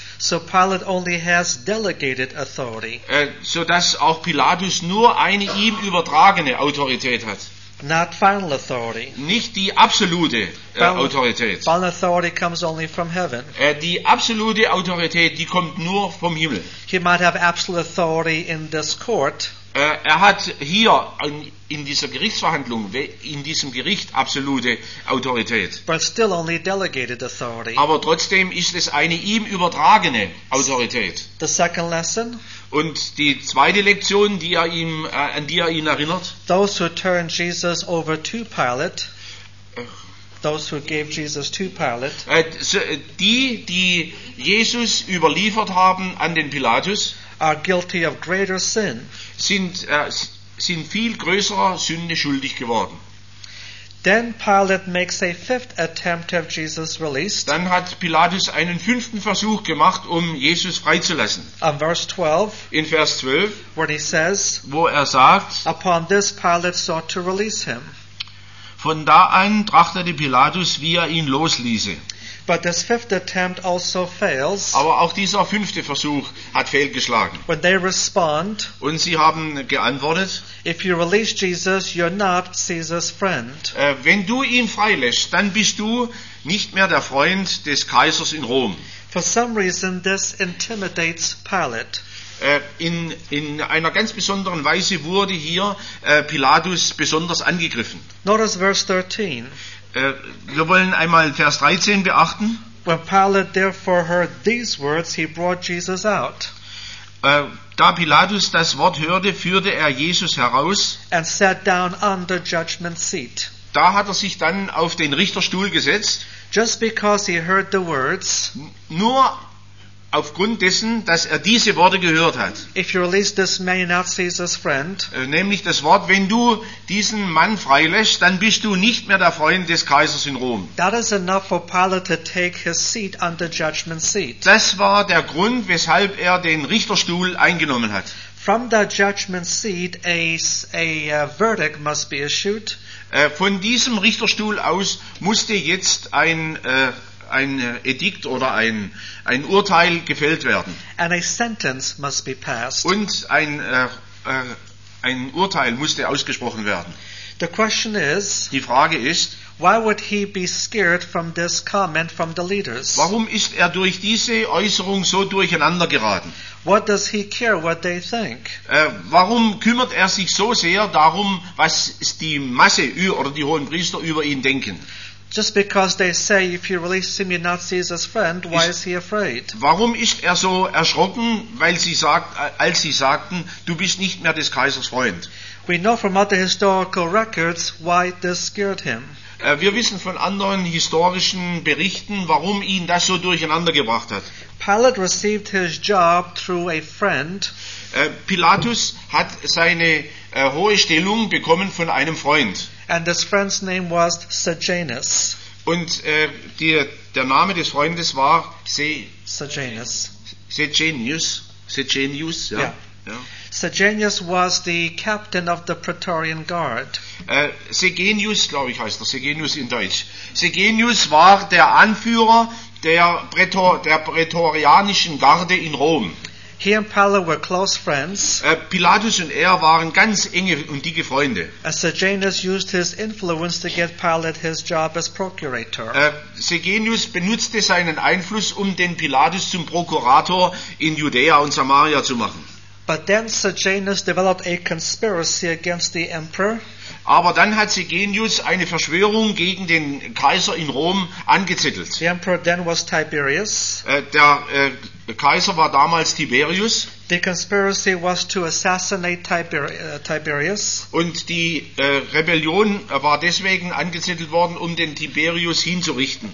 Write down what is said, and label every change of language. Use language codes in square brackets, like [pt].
[en] So Pilate only has delegated authority. [de] So dass auch Pilatus nur eine ihm übertragene Autorität hat. [en] Not final authority. [de] Nicht die absolute Autorität. [en] Final authority comes only from heaven. [de] Die absolute Autorität, die kommt nur vom Himmel. [en] He might have absolute authority in this court. [de] Er hat hier in dieser Gerichtsverhandlung, in diesem Gericht, absolute Autorität. [en] But still only delegated authority. [de] Aber trotzdem ist es eine ihm übertragene Autorität. [en] The second lesson. [de] Und die zweite Lektion, die er ihm, an die er ihn erinnert. [en] Those who turned Jesus over to Pilate. Those who gave Jesus to Pilate. [de] Die Jesus überliefert haben an den Pilatus. [en] Are guilty of greater sin. [de] Sind viel größerer Sünde schuldig geworden. [en] Then Pilate makes a fifth attempt to have Jesus released. [de] Dann hat Pilatus einen fünften Versuch gemacht, um Jesus freizulassen. [en] In verse 12. [de] In Vers 12. [en] Where he says. [de] Wo er sagt. [en] Upon this, Pilate sought to release him. [de] Von da an trachtete Pilatus, wie er ihn losließe. [en] But this fifth attempt also fails. [de] Aber auch dieser fünfte Versuch hat fehlgeschlagen. [en] When they respond, [de] und sie haben geantwortet, [en] if you release Jesus, you're not Caesar's friend. [de] Wenn du ihn freilässt, dann bist du nicht mehr der Freund des Kaisers in Rom. [en] For some reason, this intimidates Pilate. [de] In einer ganz besonderen Weise wurde hier Pilatus besonders angegriffen. [en] Notice verse 13. [de] Wir wollen einmal Vers 13 beachten. [en] When Pilate therefore heard these words, he brought Jesus out. [de] Da Pilatus das Wort hörte, führte er Jesus heraus. [en] And sat down on the judgment seat. [de] Da hat er sich dann auf den Richterstuhl gesetzt. [en] Just because he heard the words. [de] Nur aufgrund dessen, dass er diese Worte gehört hat. [en] If you release this man, not Caesar's friend, [de] nämlich das Wort, wenn du diesen Mann freilässt, dann bist du nicht mehr der Freund des Kaisers in Rom. [en] That is enough for Pilate to take his seat on the judgment seat. [de] Das war der Grund, weshalb er den Richterstuhl eingenommen hat. [en] From the judgment seat, a verdict must be issued. [de] Von diesem Richterstuhl aus musste jetzt ein Edikt oder ein Urteil gefällt werden. [en] And a sentence must be passed. [de] Und ein Urteil musste ausgesprochen werden. [en] The question is, [de] die Frage ist, [en] why would he be scared from this comment from the leaders? [de] Warum ist er durch diese Äußerung so durcheinander geraten? [en] What does he care what they think? [de] Warum kümmert er sich so sehr darum, was die Masse oder die hohen Priester über ihn denken? [en] Just because they say if you release him you're not Caesar's friend, why is he afraid? [de] Warum ist er so erschrocken, als sie sagten, du bist nicht mehr des Kaisers Freund? [en] We know from other historical records why this scared him. [de] Wir wissen von anderen historischen Berichten, warum ihn das so durcheinander gebracht hat. [en] Pilate received his job through a friend. [de] Pilatus hat seine hohe Stellung bekommen von einem Freund. [en] And this friend's name was Sejanus. [de] Und der Name des Freundes war Sejanus. Sejanus, ja. [en] Sejanus was the captain of the Praetorian Guard. [de] Sejanus, glaube ich, heißt er. Sejanus in Deutsch. Sejanus war der Anführer der Prätorianischen Garde in Rom. [en] He and Pilate were close friends. [de] Pilatus und er waren ganz enge und dicke Freunde. [en] Sejanus used his influence to get Pilate his job as procurator. [de] Sejanus benutzte seinen Einfluss, um den Pilatus zum Prokurator in Judäa und Samaria zu machen. [en] But then Sejanus developed a conspiracy against the emperor. [de] Aber dann hat Sejanus eine Verschwörung gegen den Kaiser in Rom angezettelt. [en] The emperor then was Tiberius. [de] Der Kaiser war damals Tiberius. [en] The conspiracy was to assassinate Tiberius. [de] Und die Rebellion war deswegen angezettelt worden, um den Tiberius hinzurichten.